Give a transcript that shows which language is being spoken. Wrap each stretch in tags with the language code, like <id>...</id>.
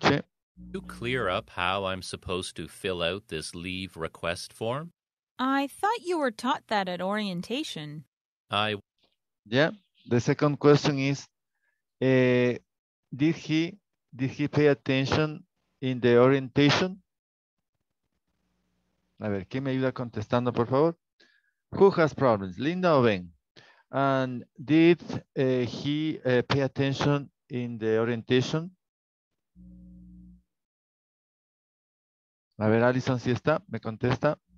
<en>Can you clear up how I'm supposed to fill out this leave request form? I thought you were taught that at orientation. Yeah, the second question is, did he pay attention in the orientation?</en> <es>A ver, ¿quién me ayuda contestando, por favor?</es> <en>Who has problems, Linda or Ben? And did he pay attention in the orientation?</en> <es>A ver, Allison, si está, me contesta.</es>